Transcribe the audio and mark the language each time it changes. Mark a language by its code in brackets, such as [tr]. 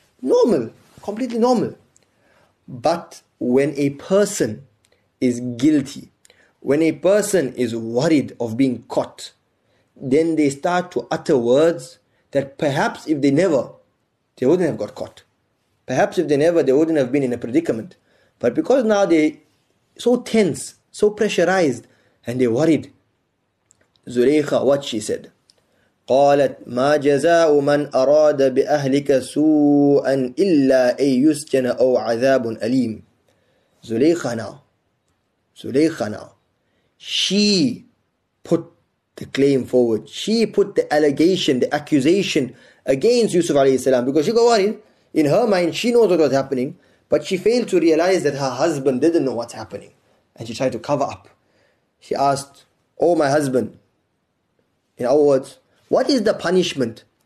[en] Normal, completely normal. But when a person is guilty, when a person is worried of being caught, then they start to utter words that perhaps if they never, they wouldn't have got caught. Perhaps if they never, they wouldn't have been in a predicament. But because now they're so tense, so pressurized, and they're worried, Zulaykha, what she said? [ar] قَالَتْ مَا جَزَاءُ مَنْ أَرَادَ بِأَهْلِكَ سُوءًا إِلَّا أَن يُسْجَنَ أَوْ عَذَابٌ أَلِيمٌ [en] Zulaykha now, she put the claim forward. She put the allegation, the accusation against Yusuf alayhi salam, because she got worried. In her mind, she knows what was happening, but she failed to realize that her husband didn't know what's happening. And she tried to cover up. She asked, oh my husband, in other words, what is the punishment?